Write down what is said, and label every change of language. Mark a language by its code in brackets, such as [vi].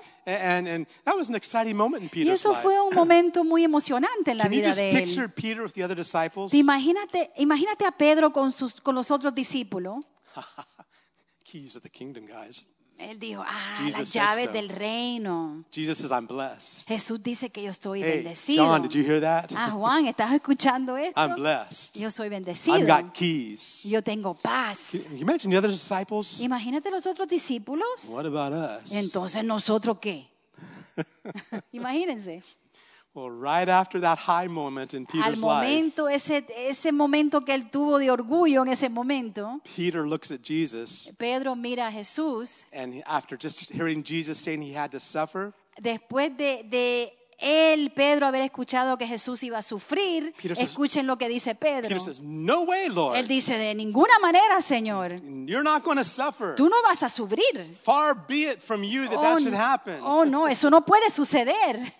[en] And that was an exciting moment in Peter's life. [es] Y eso fue un momento muy emocionante en la vida de él. [en] Can you just picture Peter with the other disciples? [es] Imagínate a Pedro con los otros discípulos. [en] Keys of the kingdom, guys. [es] Él dijo, las llaves del reino. [en] Jesus says, I'm blessed. [es] Jesús dice que yo estoy [en] hey, [es] bendecido. [en] John, did you hear that? [es] Juan, ¿estás escuchando esto? [en] I'm blessed. [es] Yo soy bendecido. [en] I've got keys. [es] Yo tengo paz. [en] Can you imagine the other disciples? [es] Imagínate los otros discípulos. [en] What about us? [es] Entonces, ¿nosotros qué? Imagínense. [en] Well, right after that high moment in Peter's life. [es] Al momento ese momento que él tuvo de orgullo en ese momento. [en] Peter looks at Jesus. [es] Pedro mira a Jesús. [en] And after just hearing Jesus saying he had to suffer. [es] Después de él Pedro haber escuchado que Jesús iba a sufrir, [en] Peter [es] escuchen [en] says, [es] lo que dice Pedro. [en] Peter says, "No way, Lord." [es] Él dice, "De ninguna manera, Señor." [en] You're not going to suffer. [es] Tú no vas a sufrir. [en] Far be it from you that oh, that should happen. [es] Oh no, eso no puede suceder.